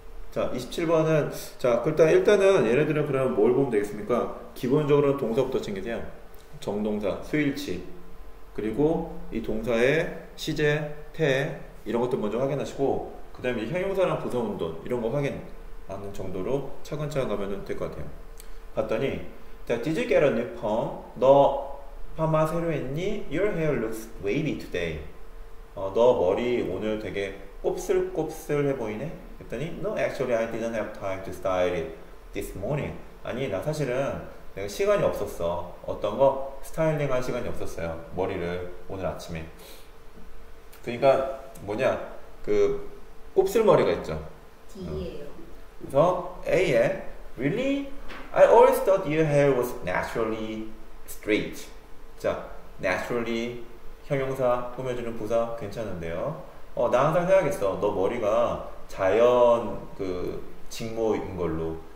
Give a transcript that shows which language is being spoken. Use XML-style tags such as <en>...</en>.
<ko>자, 27번은, 자, 일단은 얘네들은 그러면 뭘 보면 되겠습니까? 기본적으로 동사부터 챙기세요. 정동사, 수일치. 그리고 이 동사의 시제, 태, 이런 것들 먼저 확인하시고, 그 다음에 형용사랑 부사운동, 이런 거 확인. 하는 정도로 차근차근 가면 될것 같아요. 봤더니, 자,</ko> <en>Did you get a new perm?</en> <ko>너 파마 새로 했니?</ko> <en>Your hair looks wavy today.</en> <ko>너 머리 오늘 되게 곱슬곱슬해 보이네? 했더니,</ko> <en>No, actually, I didn't have time to style it this morning.</en> <ko>아니, 나 사실은 내가 시간이 없었어. 어떤 거? 스타일링할 시간이 없었어요. 머리를 오늘 아침에. 그러니까 뭐냐? 그 곱슬 머리가 있죠. 뒤에요. 그래서 A에</ko> <en>Really? I always thought your hair was naturally straight.</en> <ko>자, naturally 형용사 꾸며주는 부사 괜찮은데요. 나 항상 생각했어. 너 머리가 자연 그 직모인 걸로.</ko>